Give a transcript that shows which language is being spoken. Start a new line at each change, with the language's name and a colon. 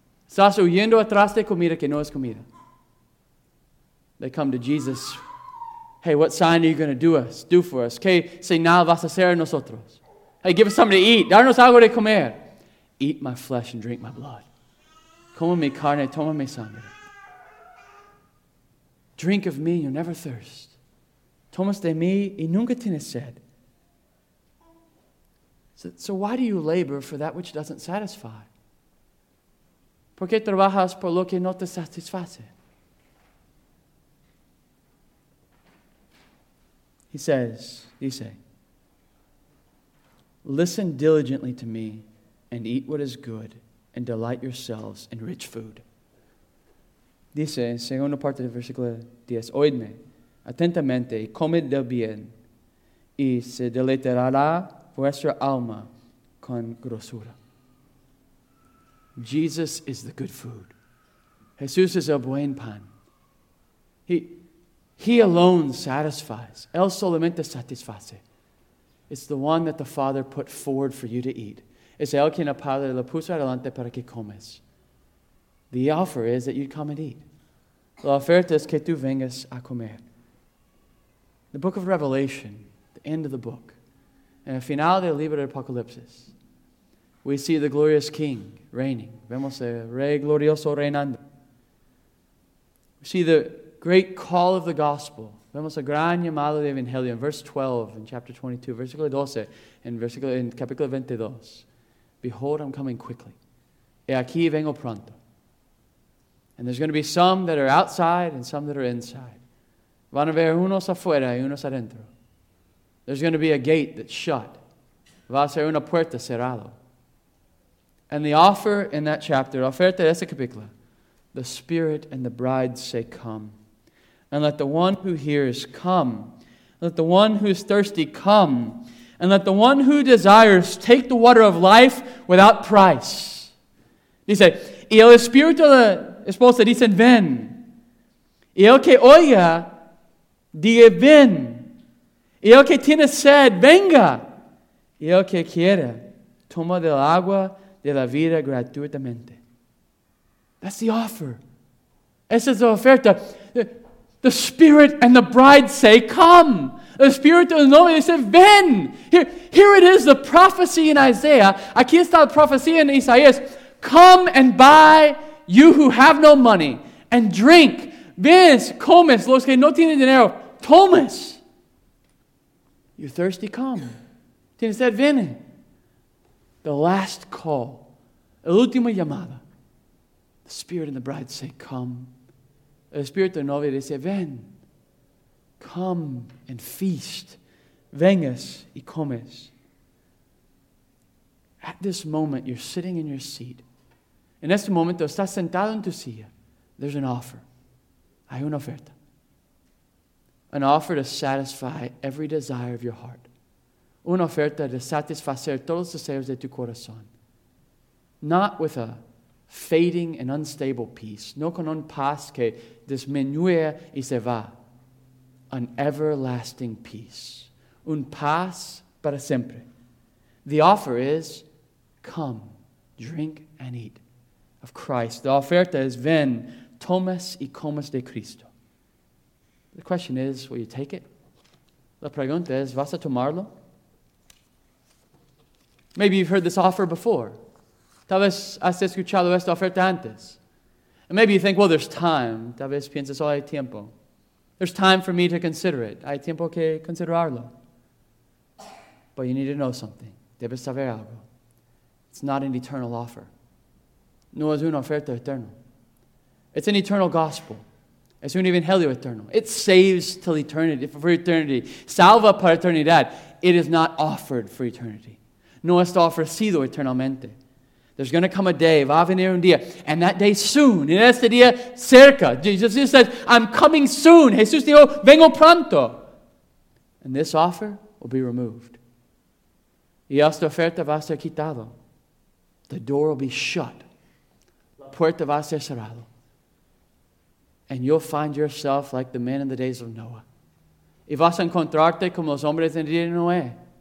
Spanish: Estás huyendo atrás de comida que no es comida.
English: They come to Jesus. Hey, what sign are you going to do for us?
Spanish: ¿Qué señal vas a hacer nosotros?
English: Hey, give us something to eat.
Spanish: Darnos algo de comer.
English: Eat my flesh and drink my blood.
Spanish: Come mi carne, toma mi sangre.
English: Drink of me and you'll never thirst.
Spanish: Tomas de mí y nunca tienes sed.
English: So why do you labor for that which doesn't satisfy?
Spanish: ¿Por qué trabajas por lo que no te satisface?
English: He says, dice, listen diligently to me and eat what is good and delight yourselves in rich food.
Spanish: Dice, segunda parte del versículo 10, oídme atentamente y comed del bien y se deleitará vuestra alma con grosura.
English: Jesus is the good food.
Spanish: Jesús es el buen pan.
English: He alone satisfies.
Spanish: Él solamente satisface.
English: It's the one that the Father put forward for you to eat.
Spanish: Es el que el Padre lo puso adelante para que comes.
English: The offer is that you come and eat.
Spanish: La oferta es que tú vengas a comer.
English: The book of Revelation, the end of the book, and the final
Spanish: del libro de Apocalipsis,
English: we see the glorious King reigning.
Spanish: Vemos el Rey glorioso reinando.
English: We see the great call of the gospel.
Spanish: Vemos el gran llamado del Evangelio.
English: Verse 12 in chapter 22.
Spanish: Versículo 12 in capítulo 22.
English: Behold, I'm coming quickly.
Spanish: He aquí vengo pronto.
English: And there's going to be some that are outside and some that are inside.
Spanish: Van a ver unos afuera y unos adentro.
English: There's going to be a gate that's shut.
Spanish: Va a ser una puerta cerrada.
English: And the offer in that chapter,
Spanish: oferta de ese capítulo,
English: the Spirit and the bride say, come. And let the one who hears come. Let the one who is thirsty come. And let the one who desires take the water of life without price.
Spanish: Dice, y el espíritu de la esposa dice, ven. Y el que oiga, diga, ven. Y el que tiene sed, venga. Y el que quiera, toma del agua de la vida gratuitamente.
English: That's the offer.
Spanish: Esa es la oferta.
English: The Spirit and the bride say, come. The Spirit and the Lord, they say, ven. Here it is, the prophecy in Isaiah.
Spanish: Aquí está la profecía en Isaías.
English: Come and buy, you who have no money, and drink.
Spanish: Ven, comes, los que no tienen dinero. Tomas.
English: You're thirsty, come.
Spanish: Tienes sed, ven.
English: The last call.
Spanish: El último llamada.
English: The Spirit and the bride say, come.
Spanish: El Espíritu de Novia dice, ven,
English: come and feast.
Spanish: vengas y comes.
English: At this moment, you're sitting in your seat.
Spanish: En este momento, estás sentado en tu silla.
English: There's an offer.
Spanish: Hay una oferta.
English: An offer to satisfy every desire of your heart.
Spanish: Una oferta de satisfacer todos los deseos de tu corazón.
English: Not with a fading and unstable peace.
Spanish: No con un paz que disminuye y se va.
English: An everlasting peace.
Spanish: Un paz para siempre.
English: The offer is, come, drink and eat of Christ.
Spanish: The oferta is, ven, tomas y comas de Cristo.
English: The question is, will you take it?
Spanish: La pregunta es, ¿vas a tomarlo?
English: Maybe you've heard this offer before.
Spanish: Tal vez has escuchado esta oferta antes.
English: And maybe you think, well, there's time.
Spanish: Tal vez piensas, oh, hay tiempo.
English: There's time for me to consider it.
Spanish: Hay tiempo que considerarlo.
English: But you need to know something.
Spanish: Debes saber algo.
English: It's not an eternal offer.
Spanish: No es una oferta eterna.
English: It's an eternal gospel.
Spanish: Es un evangelio eterno.
English: It saves till eternity, for eternity.
Spanish: Salva para eternidad.
English: It is not offered for eternity.
Spanish: No está ofrecido eternamente.
English: There's going to come a day,
Spanish: va a venir un día,
English: and that day soon,
Spanish: en este día cerca.
English: Jesus says, I'm coming soon.
Spanish: Jesús dijo, vengo pronto.
English: And this offer will be removed.
Spanish: Y esta oferta va a ser quitado.
English: The door will be shut.
Spanish: La puerta va a ser cerrado.
English: And you'll find yourself like the men in the days of Noah.
Spanish: Y vas a encontrarte como los hombres en el día de Noé.